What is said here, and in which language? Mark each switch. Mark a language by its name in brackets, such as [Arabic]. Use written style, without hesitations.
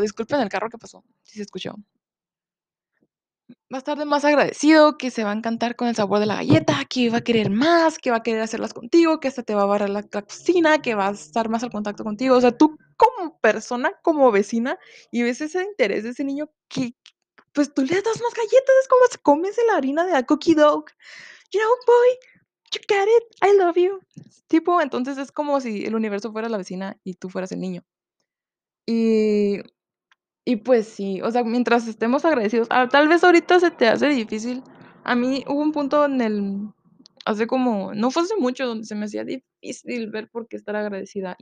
[Spanish] Disculpen el carro que pasó, si se escuchó. Va a estar de más agradecido, que se va a encantar con el sabor de la galleta, que va a querer más, que va a querer hacerlas contigo, que hasta te va a barrer la cocina, que va a estar más al contacto contigo. O sea, tú como persona, como vecina, y ves ese interés de ese niño, que pues tú le das más galletas, es como si comes la harina de la Cookie Dough. [English] You know, boy, you got it, I love you. [Spanish] Tipo, entonces es como si el universo fuera la vecina y tú fueras el niño. Y pues sí, o sea, mientras estemos agradecidos, tal vez ahorita se te hace difícil. A mí hubo un punto en hace como, no fue hace mucho, donde se me hacía difícil ver por qué estar agradecida.